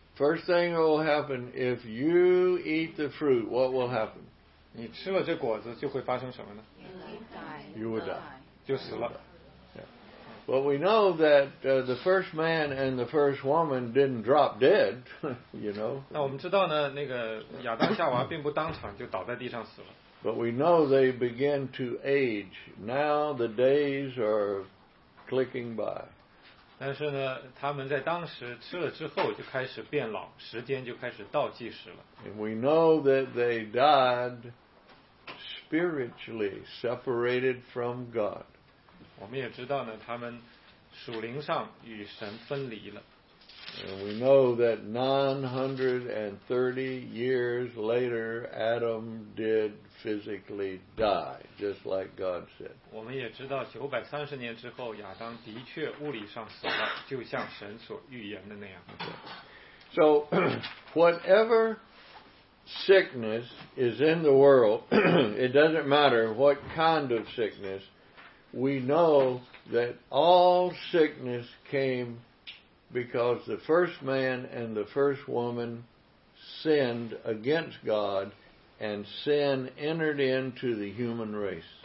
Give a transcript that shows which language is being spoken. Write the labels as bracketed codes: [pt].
[en] First thing that will happen if you eat the fruit, what will happen? [zh] 你吃了这果子就会发生什么呢？ [en] You will die. [zh] 就死了。 [en] Yeah. Well, we know that the first man and the first woman didn't drop dead, you know. [zh] 那我们知道呢，那个亚当夏娃并不当场就倒在地上死了。 [en] But we know they begin to age. Now the days are clicking by. [zh] 但是呢，他们在当时吃了之后就开始变老，时间就开始倒计时了。 [en] And we know that they died spiritually, separated from God. [zh] 我们也知道呢，他们属灵上与神分离了。 [en] And we know that 930 years later, Adam did physically die, just like God said. [zh] 我们也知道930年之后，亚当的确物理上死了，就像神所预言的那样。 [en] Okay. So, whatever sickness is in the world, it doesn't matter what kind of sickness. We know that all sickness came because the first man and the first woman sinned against God, and sin entered into the human race.